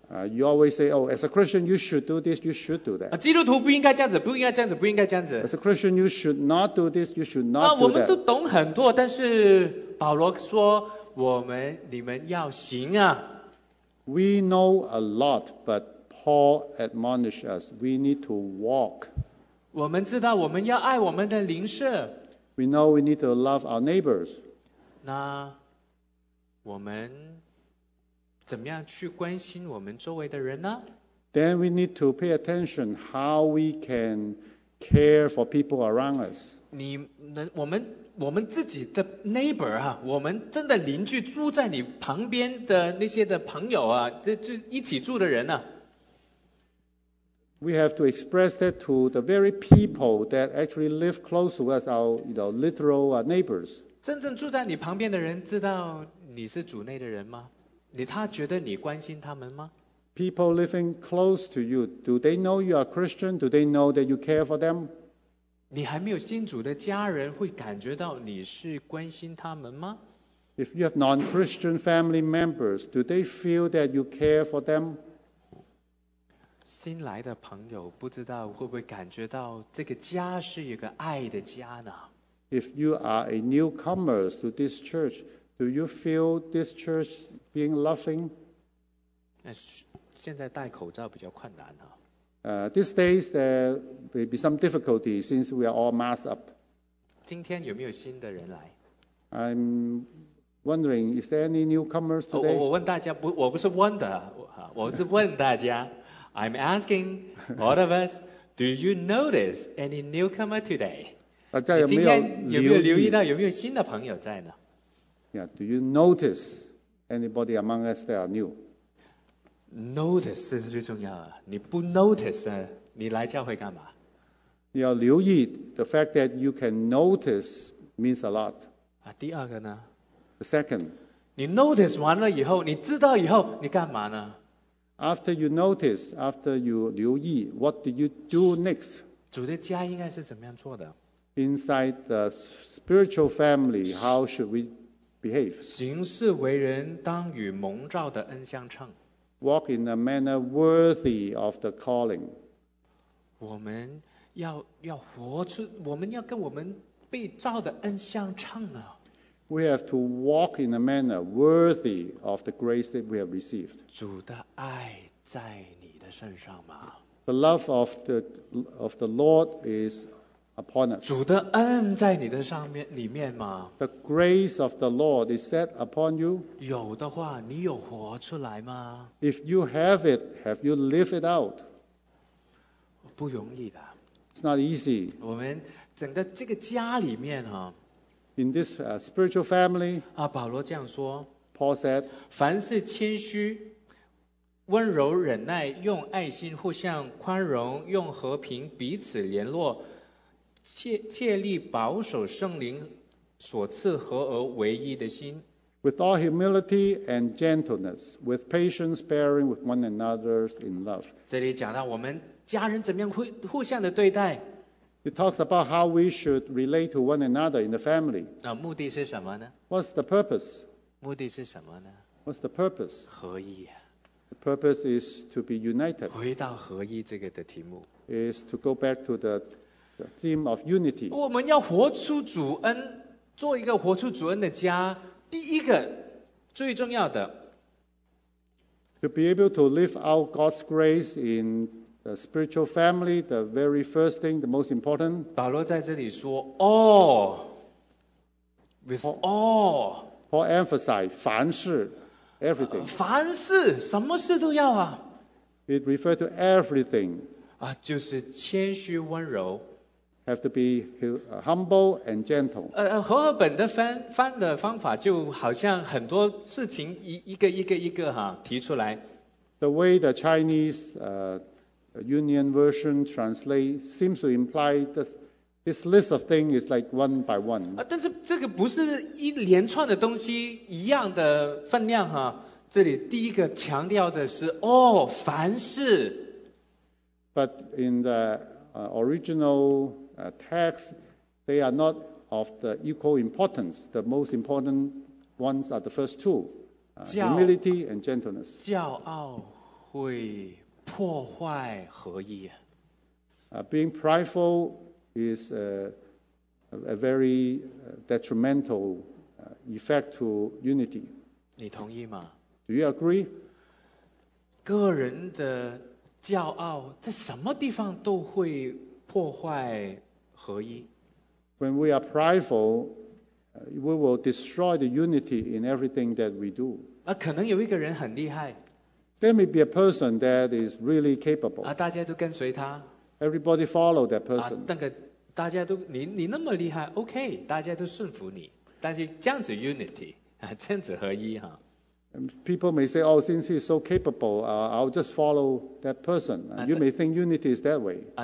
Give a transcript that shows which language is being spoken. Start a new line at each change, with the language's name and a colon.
English: You always say, oh, as a Christian, you should do this, you should do that.
Chinese: 基督徒不应该这样子。
English: As a Christian, you should not do this, you should not do that.
Chinese: 我们都懂很多, 但是保罗说, 我们, 你们要行啊。
English: We know a lot, but Paul admonished us, we need to walk.
Chinese: 我们知道我们要爱我们的邻舍。
English: We know we need to love our neighbors.
Chinese: 那我们 怎么样去关心我们周围的人呢?
English: Then we need to pay attention how we can care for people around us.
Chinese: 我们自己的 neighbor 啊, 我们真的邻居住在你旁边的那些的朋友啊, 就一起住的人啊。
English: We have to express that to the very people that actually live close to us, our literal neighbors.
Chinese: 真正住在你旁边的人知道你是主内的人吗? 他觉得你关心他们吗?
English: People living close to you, do they know you are Christian? Do they know that you care for them?
Chinese: 你还没有信主的家人会感觉到你是关心他们吗?
English: If you have non-Christian family members, do they feel that you care for them?
Chinese: 新来的朋友不知道会不会感觉到这个家是一个爱的家呢?
English: If you are a newcomer to this church, do you feel this church being loving?
Chinese: 现在戴口罩比较困难啊。
English: These days there may be some difficulty since we are all masked up.
Chinese: 今天有没有新的人来?
English: I'm wondering, is there any newcomers today?
Chinese: 我问大家，我不是问的，我是问大家。
English: I'm asking all of us, do you notice any newcomer today?
Chinese: 大家有没有留意到有没有新的朋友在呢?
English: Yeah, do you notice anybody among us that are new?
Chinese: Notice 是最重要的。你不 notice 你来教会干嘛? 你要留意
English: the fact that you can notice means a lot.
Chinese: 第二个呢?
English: The second.
Chinese: 你 notice 完了以后，你知道以后，你干嘛呢?
English: After you notice, after you 留意, what do you do next?
Chinese: 主的家应该是怎么样做的?
English: Inside the spiritual family, how should we behave?
Chinese: 行事为人当与蒙召的恩相称。
English: Walk in a manner worthy of the calling.
Chinese: 我们要活出，我们要跟我们被召的恩相称啊。
English: We have to walk in a manner worthy of the grace that we have received.
Chinese: 主的爱在你的身上吗?
English: The love of the, Lord is upon us.
Chinese: 主的恩在你的上面里面吗?
English: The grace of the Lord is set upon you.
Chinese: 有的话你有活出来吗?
English: If you have it, have you lived it out?
Chinese: 不容易的。
English: It's not easy.
Chinese: 我们整个这个家里面啊，
English: In this spiritual family,
Chinese: 啊，保罗这样说。
English: Paul said,
Chinese: 凡事谦虚，温柔忍耐，用爱心互相宽容，用和平彼此联络，切力保守圣灵所赐合而为一的心。
English: With all humility and gentleness, with patience bearing with one another in love.
Chinese: 这里讲到我们家人怎么样互相的对待。
English: It talks about how we should relate to one another in the family.
Chinese: 那目的是什么呢?
English: What's the purpose?
Chinese: 目的是什么呢?
English: What's the purpose?
Chinese: 合一啊。
English: The purpose is to be united.
Chinese: 回到合一这个的题目。
English: Is to go back to the theme of unity.
Chinese: 我们要活出主恩，做一个活出主恩的家，第一个最重要的。
English: To be able to live out God's grace in The spiritual family, the very first thing, the most important.
Chinese: 保罗在这里说
English: all, with all. Paul emphasized 凡事 everything.
Chinese: 凡事什么事都要啊。
English: It referred to everything.
Chinese: 啊，就是谦虚温柔。
English: Have to be humble and gentle.
Chinese: 和合本的翻的方法就好像很多事情一个哈提出来。
English: The way the Chinese, Union version translate seems to imply this list of things is like one by one.
Chinese: 啊，但是这个不是一连串的东西一样的分量哈。这里第一个强调的是哦，凡事。
English: But in the original text, they are not of the equal importance. The most important ones are the first two, humility and gentleness.
Chinese: 骄傲会破坏合一。
English: Being prideful is a very detrimental effect to unity.
Chinese: 你同意吗?
English: Do you agree?
Chinese: 个人的骄傲在什么地方都会破坏合一。
English: When we are prideful, we will destroy the unity in everything that we do.
Chinese: 可能有一个人很厉害。
English: There may be a person that is really capable.
Chinese: 大家都跟随他。
English: Everybody follow that person.
Chinese: 那个大家都你那么厉害 ，OK， 大家都顺服你。但是这样子 unity， 这样子合一哈。
English: People may say, "Oh, since he's so capable, I'll just follow that person." You may think unity is that way.